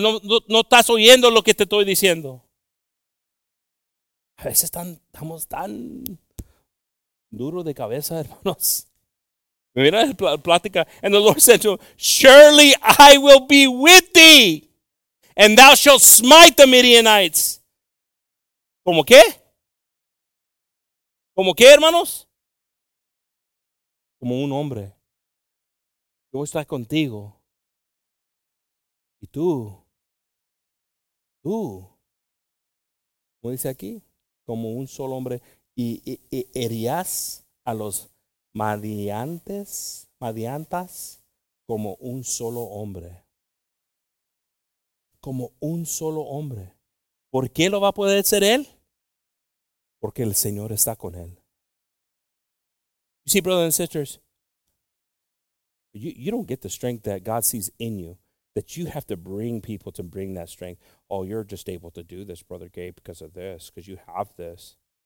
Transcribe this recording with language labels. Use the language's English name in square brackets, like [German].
[Spanish] No estás oyendo lo que te estoy diciendo. A veces estamos tan duro de cabeza, hermanos. Mira la plática. [English] And the Lord said to him, surely I will be with thee, and thou shalt smite the Midianites. [Spanish] ¿Cómo qué? ¿Cómo qué, hermanos? Como un hombre. Yo voy a estar contigo. Y tú, ¿cómo dice aquí? Como un solo hombre, y herirás a los madiantas como un solo hombre. Como un solo hombre. ¿Por qué lo va a poder hacer él? Porque el Señor está con él. [English] You see, brothers and sisters, you don't get the strength that God sees in you. That you have to bring people to bring that strength. Oh, you're just able to do this, Brother Gabe, because of this, because you have this.